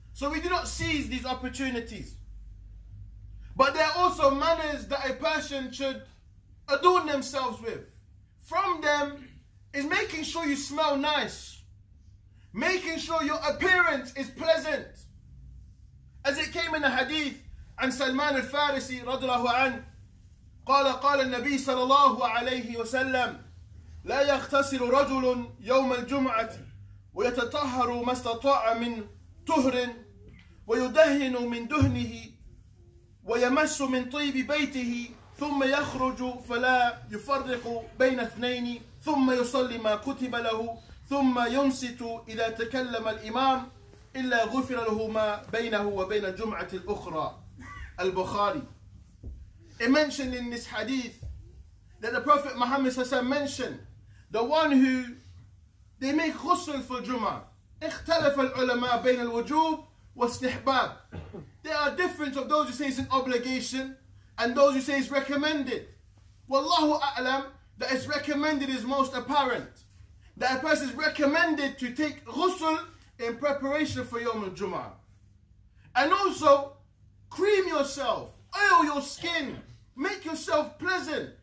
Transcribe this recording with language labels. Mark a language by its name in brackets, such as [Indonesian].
[English] So we do not seize these opportunities. But there are also manners that a person should adorn themselves with. From them is making sure you smell nice. Making sure your appearance is pleasant. As it came in the hadith, and Salman al-Farisi radiallahu anhu, [Arabic] قال النبي صلى الله عليه وسلم لا يغتسل رجل يوم الجمعة ويتطهر ما استطاع من طهر ويدهن من دهنه ويمس من طيب بيته ثم يخرج فلا يفرق بين اثنين ثم يصلي ما كتب له ثم ينصت إذا تكلم الإمام إلا غفر له ما بينه وبين الجمعة الأخرى البخاري. [English] It mentioned in this hadith that the Prophet Muhammad صلى الله عليه وسلم mentioned the one who they make ghusl for Jummah. [Arabic] اختلف العلماء بين الوجوب واستحباب. [English] There are different of those who say it's an obligation and those who say it's recommended. Wallahu a'lam, that it's recommended is most apparent. That a person is recommended to take ghusl in preparation for Yawm al-Jum'ah. And also, cream yourself, oil your skin, make yourself pleasant.